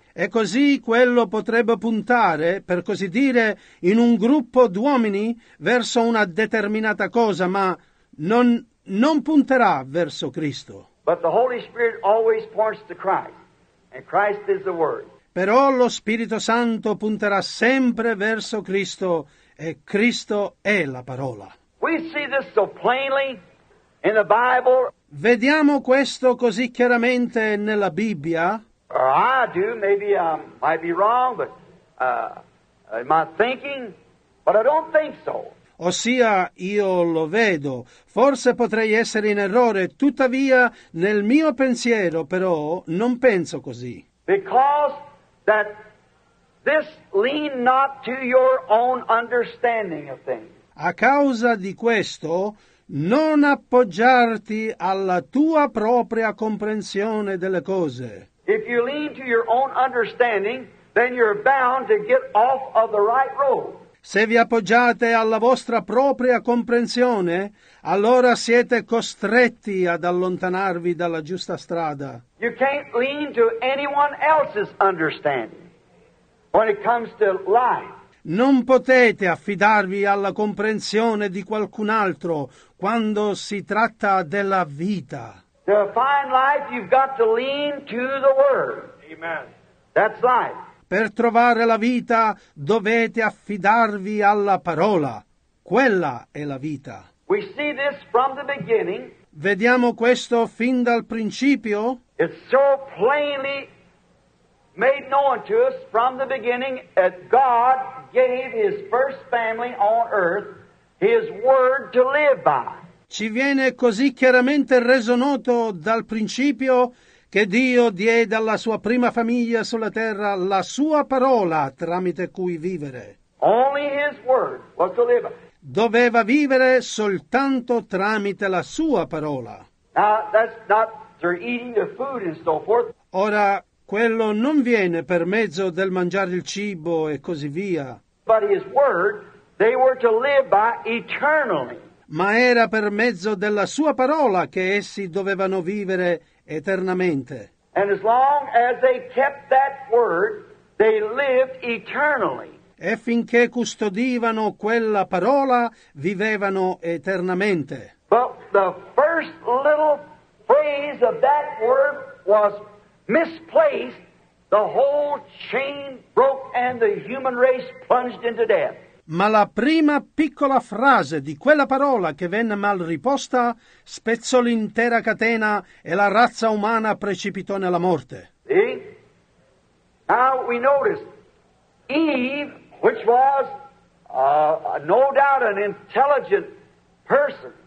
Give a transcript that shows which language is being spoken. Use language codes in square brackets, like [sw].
[it] E così quello potrebbe puntare, per così dire, in un gruppo d'uomini verso una determinata cosa, ma non punterà verso Cristo. [en] But the Holy Spirit always points to Christ, and Christ is the Word. [it] Però lo Spirito Santo punterà sempre verso Cristo, e Cristo è la parola. [en] We see this so plainly in the Bible. [it] Vediamo questo così chiaramente nella Bibbia. [en] Or I do, maybe I might be wrong, but am I thinking? But I don't think so. [it] Ossia, io lo vedo. Forse potrei essere in errore, tuttavia, nel mio pensiero, però, non penso così. [en] Because that this lean not to your own understanding of things. [it] A causa di questo, non appoggiarti alla tua propria comprensione delle cose. [en] If you lean to your own understanding, then you're bound to get off of the right road. [it] Se vi appoggiate alla vostra propria comprensione, allora siete costretti ad allontanarvi dalla giusta strada. [en] You can't lean to anyone else's understanding when it comes to life. [it] Non potete affidarvi alla comprensione di qualcun altro quando si tratta della vita. [en] To find life, you've got to lean to the Word. Amen. That's life. [it] Per trovare la vita dovete affidarvi alla parola. Quella è la vita. [en] We see this from the beginning. [it] Vediamo questo fin dal principio. [en] It's so plainly made known to us from the beginning that God gave His first family on earth His Word to live by. [it] Ci viene così chiaramente reso noto dal principio che Dio diede alla sua prima famiglia sulla terra la sua parola tramite cui vivere. [en] Only His Word was to live by. [it] Doveva vivere soltanto tramite la sua parola. [en] Now, that's not through eating their food and so forth. [it] Ora, quello non viene per mezzo del mangiare il cibo e così via. [en] But His Word, they were to live by eternally. [it] Ma era per mezzo della sua parola che essi dovevano vivere eternamente. [en] And as long as they kept that word, they lived eternally. [it] E finché custodivano quella parola, vivevano eternamente. [en] But the first little phrase of that word was misplaced, the whole chain broke and the human race plunged into death. [it] Ma la prima piccola frase di quella parola che venne mal riposta spezzò l'intera catena e la razza umana precipitò nella morte. [en] See? Now we notice Eve, which was no doubt an intelligent person.